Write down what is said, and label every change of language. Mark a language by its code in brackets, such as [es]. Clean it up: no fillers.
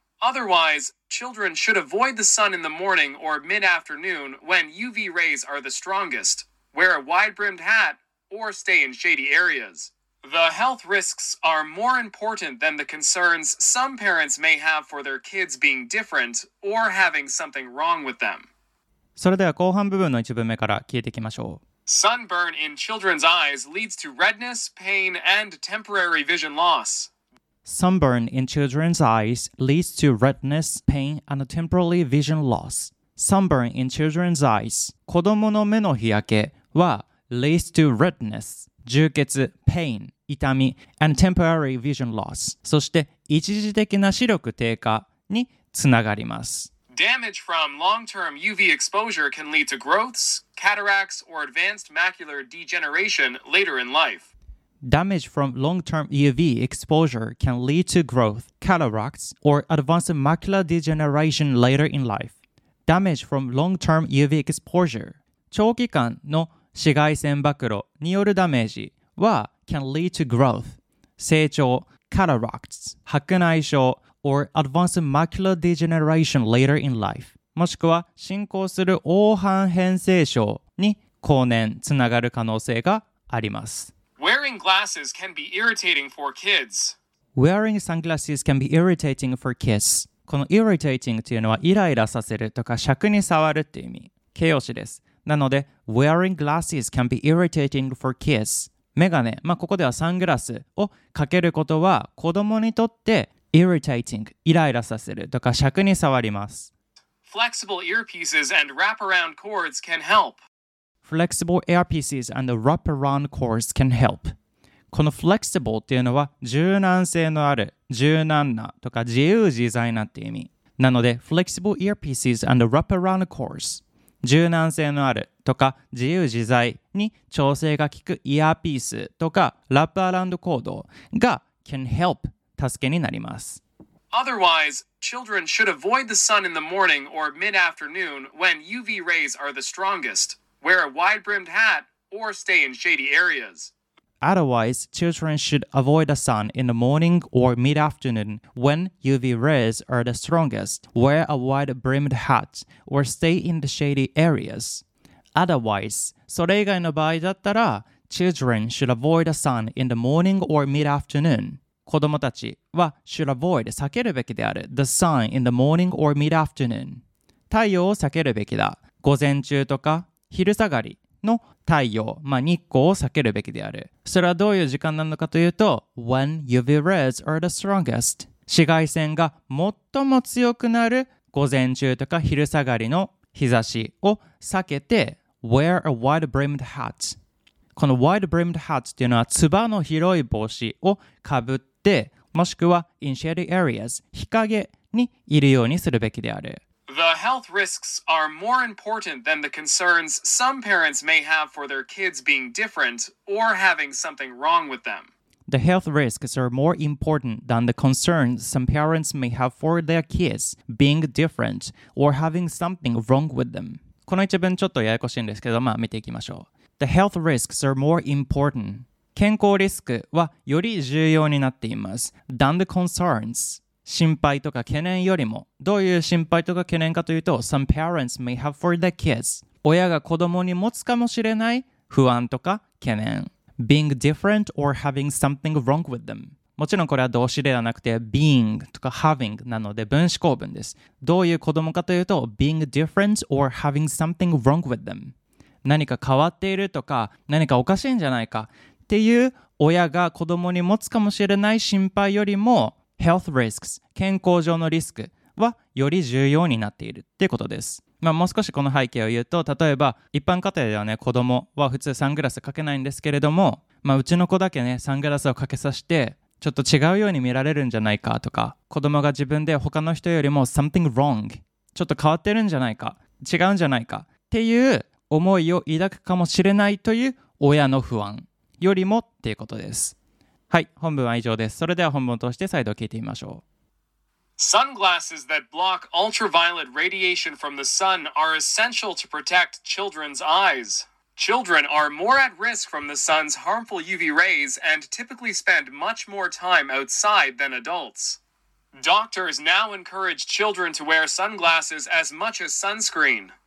[en] Otherwise, children should avoid the sun in the morning or mid-afternoon when UV rays are the strongest. Wear a wide-brimmed hat or stay in shady areas. The health risks are more important than the concerns some parents may have for their kids being different or having something wrong with them. [ja] それでは後半部分の一文目から聞いていきましょう。 [en] Sunburn in children's eyes leads to redness, pain, and temporary vision loss. Sunburn in children's eyes leads to redness, pain, and temporary vision loss. Sunburn in children's eyes [ja] 子供の目の日焼けは [en] leads to redness [ja] 充血、 [en] pain、 [ja] 痛み、 [en] and temporary vision loss。 [ja] そして、一時的な視力低下につながります。 [en] Damage from long-term UV exposure can lead to growths, cataracts, or advanced macular degeneration later in life. Damage from long-term UV exposure can lead to growth, cataracts, or advanced macular degeneration later in life. Damage from long-term UV exposure [ja] 長期間の紫外線暴露によるダメージは [en] can lead to growth [ja] 成長 [en] cataracts [ja] 白内障 [en] or advanced macular degeneration later in life [ja] もしくは進行する黄斑変性症に後年つながる可能性があります。 [en] Wearing glasses can be irritating for kids. Wearing sunglasses can be irritating for kids. [ja] この irritating というのはイライラさせるとか尺に触るっていう意味形容詞です。なので [en] Wearing glasses can be irritating for kids. [ja] メガネ、まあ、ここではサングラスをかけることは子供にとって irritating、イライラさせるとか尺に触ります。 [en] Flexible earpieces and wraparound cords can help. Flexible earpieces and wraparound cords can help. [ja] この flexible っていうのは柔軟性のある、柔軟なとか自由自在なっていう意味。なので [en] Flexible earpieces and wraparound cords. [ja] 柔軟性のあるとか自由自在に調整が効くイヤーピースとかラップアラウンドコードが [en] can help [ja] 助けになります。 [en] Otherwise, children should avoid the sun in the morning or mid-afternoon when UV rays are the strongest. Wear a wide-brimmed hat or stay in shady areas. Otherwise, children should avoid the sun in the morning or mid-afternoon when UV rays are the strongest. Wear a wide-brimmed hat or stay in the shady areas. Otherwise, [ja] それ以外の場合だったら、 [en] children should avoid the sun in the morning or mid-afternoon. [ja] 子供たちは [en] should avoid [ja] 避けるべきである [en] the sun in the morning or mid-afternoon. [ja] 太陽を避けるべきだ。午前中とか昼下がりの太陽、まあ、日光を避けるべきである。それはどういう時間なのかというと、 [en] When UV rays are the strongest. [ja] 紫外線が最も強くなる午前中とか昼下がりの日差しを避けて、 [en] Wear a wide-brimmed hat. [ja] この wide-brimmed hat っていうのは、つばの広い帽子をかぶって、もしくは [en] in shady areas、 [ja] 日陰にいるようにするべきである。 [en] The health risks are more important than the concerns some parents may have for their kids being different or having something wrong with them. The health risks are more important than the concerns some parents may have for their kids being different or having something wrong with them. [ja] この一文ちょっとややこしいんですけど、まあ見ていきましょう。 [en] The health risks are more important. [ja] 健康リスクはより重要になっています。 [en] than the concerns. [ja] 心配とか懸念よりも。どういう心配とか懸念かというと、 [en] some parents may have for their kids. [ja] 親が子供に持つかもしれない不安とか懸念。 [en] Being different or having something wrong with them. [ja] もちろんこれは動詞ではなくて being とか having なので分子構文です。どういう子供かというと [en] being different or having something wrong with them. [ja] 何か変わっているとか何かおかしいんじゃないかっていう親が子供に持つかもしれない心配よりも [en] health risks [ja] 健康上のリスクはより重要になっているっていうことです。まあ、もう少しこの背景を言うと、例えば一般家庭ではね、子供は普通サングラスかけないんですけれども、まあ、うちの子だけね、サングラスをかけさせてちょっと違うように見られるんじゃないかとか、子供が自分で他の人よりも [en] something wrong、 [ja] ちょっと変わってるんじゃないか、違うんじゃないかっていう思いを抱くかもしれないという親の不安よりもっていうことです。はい、本文は以上です。それでは本文を通して再度聞いてみましょう。 [en] Sunglasses that block ultraviolet radiation from the sun are essential to protect children's eyes. Children are more at risk from the sun's harmful UV rays and typically spend much more time outside than adults. Doctors now encourage children to wear sunglasses as much as sunscreen.